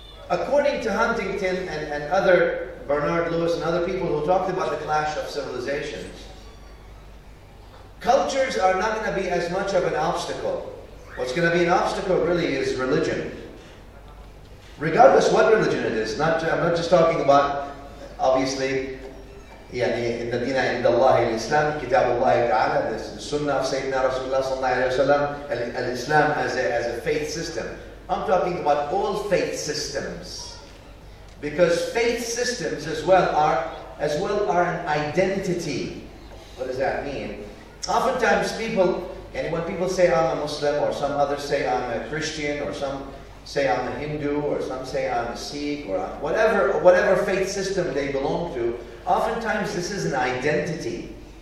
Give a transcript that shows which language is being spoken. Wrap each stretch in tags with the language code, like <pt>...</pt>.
<en>According to Huntington and other, Bernard Lewis and other people who talked about the clash of civilizations, cultures are not going to be as much of an obstacle. What's going to be an obstacle really is religion. Regardless what religion it is, I'm not just talking about, obviously,</en> <ar>يعني إن الدين عند الله الإسلام كتاب الله تعالى السنة في سيدنا رسول الله صلى الله عليه وسلم الإسلام</ar> <en>as a faith system. I'm talking about all faith systems, because faith systems as well are an identity. What does that mean? Oftentimes people, and when people say I'm a Muslim, or some others say I'm a Christian, or some say I'm a Hindu, or some say I'm a Sikh, or whatever faith system they belong to, oftentimes this is an identity.</en>